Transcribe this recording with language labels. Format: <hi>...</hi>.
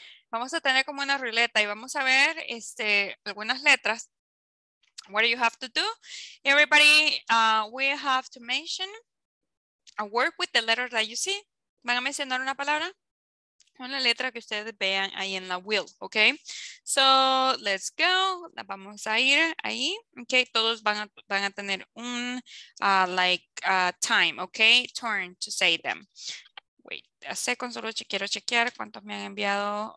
<es>Vamos a tener como una ruleta y vamos a ver este, algunas letras.</es> <en>What do you have to do? Everybody, we have to mention a word with the letter that you see.</en> <es>Van a mencionar una palabra con la letra que ustedes vean ahí en la wheel, okay?</es> <en>So let's go,</en> <es>la vamos a ir ahí, okay? Todos van a tener un time, okay?</es> <en>Turn to say them.</en> <es>Wait a second, solo quiero chequear cuántos me han enviado.</es>